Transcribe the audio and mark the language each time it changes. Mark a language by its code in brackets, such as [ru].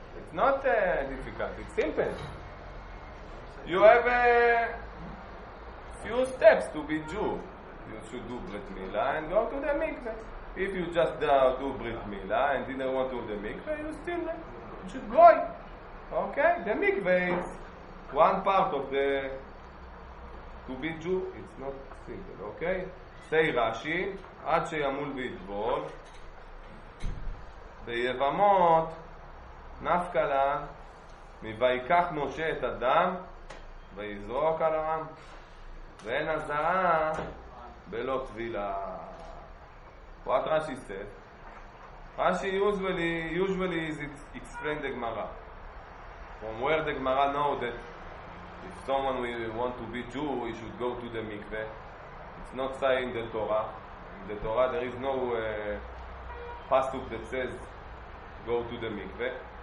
[en] It's not difficult, it's simple. You have a few steps to be Jew. You should do Brit Milah and go to the mikveh. If you just do Brit Milah and didn't want to do the mikveh, you still should go. Okay? The mikveh is one part of the to be Jew. It's not simple, okay? Say Rashi, [he] עד שימול ויתבול, ביבמות, נפקלה, מויקח משה את הדם, ויזרוק על העם, ואין הזעה בלא טבילה. [en] What Rashi said? Rashi usually is explained the Gemara. From where the Gemara know that if someone will want to be Jew, he should go to the mikveh. It's not saying the Torah. In the Torah there is no pasuk that says go to the mikveh.